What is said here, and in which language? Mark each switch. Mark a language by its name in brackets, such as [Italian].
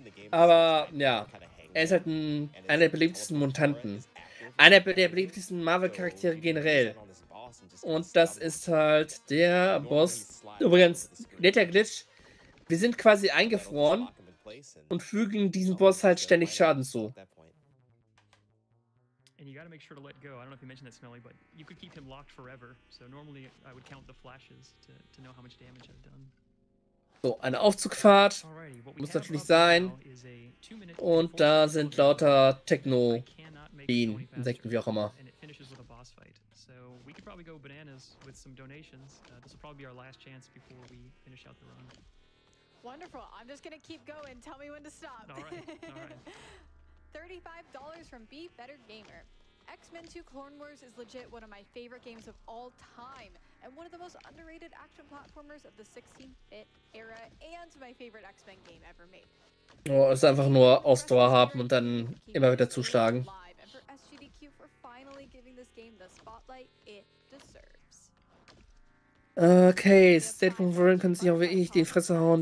[German] Aber ja, er ist halt einer der beliebtesten Mutanten. Einer der beliebtesten Marvel-Charaktere generell. Und das ist halt der Boss. Übrigens, netter Glitch. Wir sind quasi eingefroren und fügen diesem Boss halt ständig Schaden zu. [English] And you gotta make sure to let go. I don't know if you mentioned that, Smelly, but you could keep him locked forever. So normally I would count the flashes to know how much damage I've done. [German] So, eine Aufzugfahrt. Muss natürlich sein. Und da sind lauter Techno-Bienen, Insekten, wie auch immer. [English] And it finishes with a boss fight. So we could probably go bananas with some donations. This will probably be our last chance before we finish out the run. Wonderful. I'm just gonna keep going. Tell me when to stop. All right. All right. $35 from Be Better Gamer. X-Men 2 Clone Wars is legit one of my favorite games of all time and one of the most underrated action platformers of the 16-bit era and my favorite X-Men game ever made. [German] Oh, es ist einfach nur Ausdauer haben und dann immer wieder zuschlagen. [English] And for SGDQ for finally giving this game the spotlight it deserves. [German] Okay, Deadpool und Wolverine können sich auch wirklich die Fresse hauen.